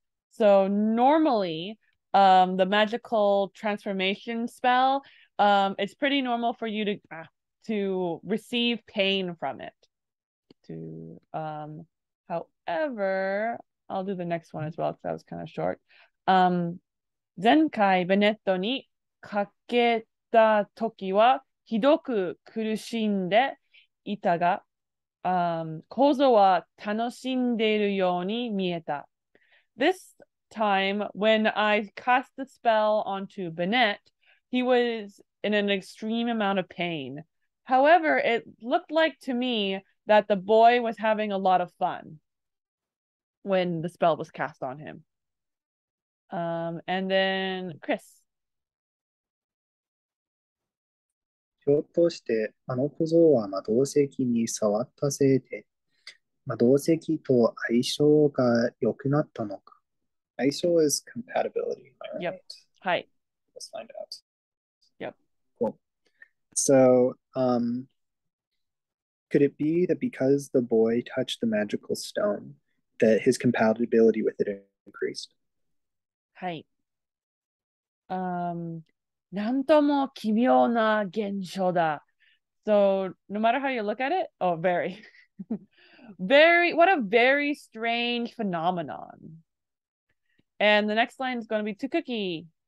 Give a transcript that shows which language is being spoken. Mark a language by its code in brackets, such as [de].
[en] So normally the magical transformation spell, it's pretty normal for you to receive pain from it. However, I'll do the next one as well because that was kind of short. [ja] 前回ベネットにかけた時はひどく苦しんでいたが、構造は楽しんでいるように見えた。 [en] This time when I cast the spell onto Bennett, he was in an extreme amount of pain. However, it looked like to me that the boy was having a lot of fun when the spell was cast on him. And then Chris. [ja] ひょっとしてあの小僧は魔導石に触ったせいで魔導石と相性が良くなったのか。 [en] 相性 is compatibility, am I right? Yep. Hi. Let's find out. Yep. Cool. So, could it be that because the boy touched the magical stone, that his compatibility with it increased? [ja] はい。なんとも奇妙な現象だ。 [en] So, no matter how you look at it, oh, very. very, what a very strange phenomenon. And the next line is going to be Tsukuki.